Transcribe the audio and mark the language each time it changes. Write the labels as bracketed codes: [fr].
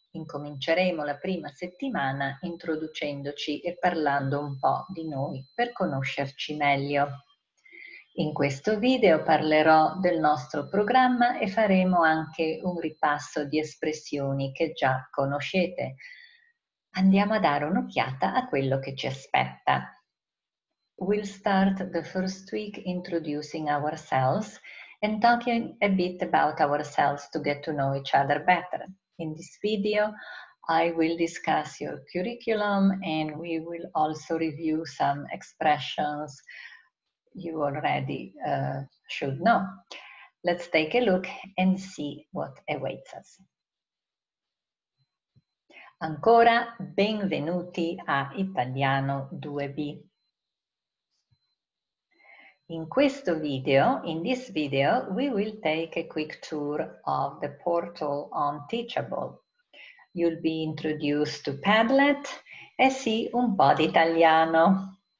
[it] Incominceremo la prima settimana introducendoci e parlando un po' di noi per conoscerci meglio. In questo video parlerò del nostro programma e faremo anche un ripasso di espressioni che già conoscete. Andiamo a dare un'occhiata a quello che ci aspetta. [en] We'll start the first week introducing ourselves and talking a bit about ourselves to get to know each other better. In this video, I will discuss your curriculum and we will also review some expressions you already should know. Let's take a look and see what awaits us. [it] Ancora benvenuti a Italiano 2B. In questo video, [en] in this video, we will take a quick tour of the portal on Teachable. You'll be introduced to Padlet e see [it] un po' di italiano.